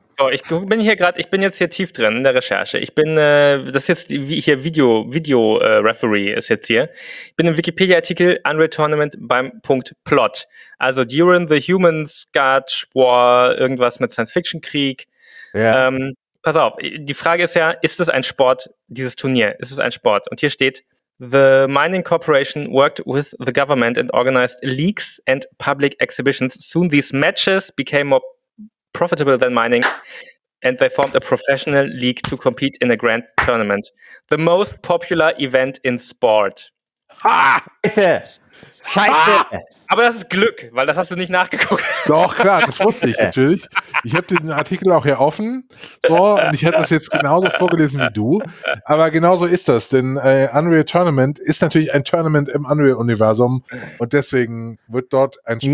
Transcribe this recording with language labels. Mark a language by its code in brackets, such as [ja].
[de] Oh, ich bin hier gerade, ich bin jetzt hier tief drin in der Recherche. Ich bin, das ist jetzt hier Video-Referee ist jetzt hier. Ich bin im Wikipedia-Artikel Unreal Tournament beim Punkt Plot. Also [en] during the Humanscourge War, [de] irgendwas mit Science-Fiction-Krieg. [en] Yeah. [de] Pass auf, die Frage ist ja, ist es ein Sport, dieses Turnier? Ist es ein Sport? [en] Und hier steht, the mining corporation worked with the government and organized leagues and public exhibitions. Soon these matches became more profitable than mining, and they formed a professional league to compete in a grand tournament. The most popular event in sport. [de] Ah! Scheiße! Scheiße! Ah! Aber das ist Glück, weil das hast du nicht nachgeguckt. Doch, klar, das wusste ich natürlich. Ich habe den Artikel auch hier offen, so, und ich hätte das jetzt genauso vorgelesen wie du. Aber genauso ist das, denn Unreal Tournament ist natürlich ein Tournament im Unreal-Universum und deswegen wird dort ein Sport...